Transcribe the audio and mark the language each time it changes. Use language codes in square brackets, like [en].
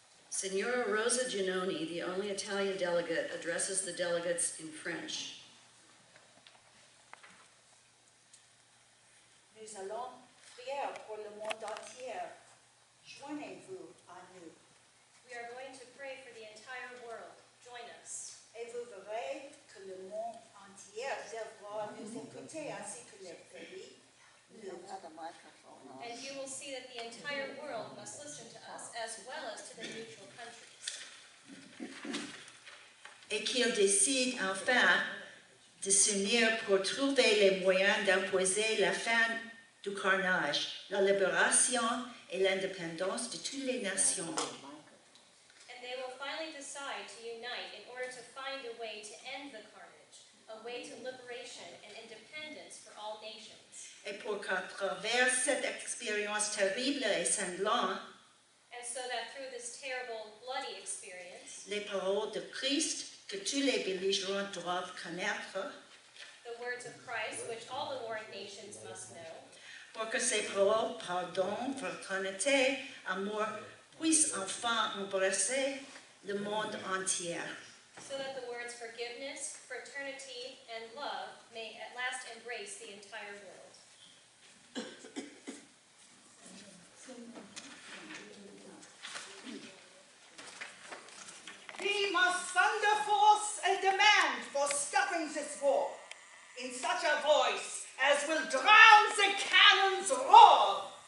[en] Signora Rosa Giannone, the only Italian delegate, addresses the delegates in French. [fr] Nous allons prier pour le monde entier. Joignez-vous à nous. [en] We are going to pray for the entire world. Join us. [fr] Et vous verrez que le monde entier devra nous écouter ainsi que les pays. [en] And you will see that the entire world must listen to us as well as to the neutral countries. [fr] Et qu'ils décident enfin de s'unir pour trouver les moyens d'imposer la fin du carnage, la libération et l'indépendance de toutes les nations. [en] And they will finally decide to unite in order to find a way to end the carnage, a way to liberation and independence for all nations. [fr] Et pour qu'à travers cette expérience terrible et sanglante, [en] and so that through this terrible, bloody experience, [fr] les paroles de Christ que tous les belligérants doivent connaître, [en] the words of Christ which all the warring nations must know, [fr] pour que ces paroles, pardon, fraternité, amour, puissent enfin embrasser le monde entier. [en] So that the words forgiveness, fraternity, and love may at last embrace the entire world. We must thunder forth a demand for stopping this war in such a voice as will drown the cannon's roar.